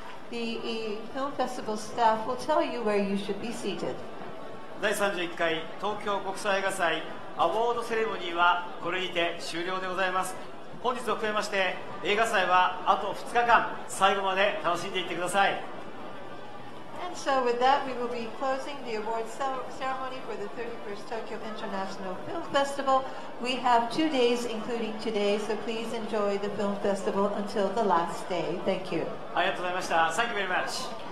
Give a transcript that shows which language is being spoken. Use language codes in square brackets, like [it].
[en] The film festival staff will tell you where you should be seated. [ja] 第31回東京国際映画祭アウォードセレモニーはこれにて終了でございます。本日を含めまして映画祭はあと2日間最後まで楽しんでいってください。 [en] And so with that, we will be closing the award ceremony for the 31st Tokyo International Film Festival. We have 2 days, including today, so please enjoy the film festival until the last day. Thank you. [ja] ありがとうございました。 [en] Thank you very much.